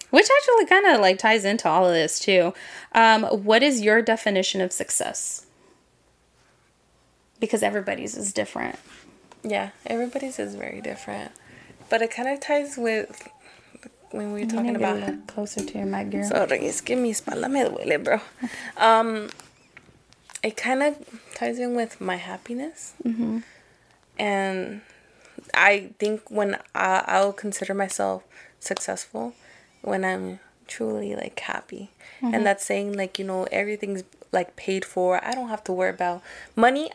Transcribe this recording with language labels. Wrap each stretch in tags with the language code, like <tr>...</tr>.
<en>Which actually kind of like ties into all of this too. What is your definition of success? Because everybody's is different. Yeah, everybody's is very different. But it kind of ties with when we were talking about closer to your mic, girl.</en> <es>Sorry, es que mi espalda me duele, bro.</es> <en>It kind of ties in with my happiness. Mm-hmm. And I think when I will consider myself successful when I'm truly like happy. Mm-hmm. And that's saying, like, you know, everything's like paid for. I don't have to worry about money.</en>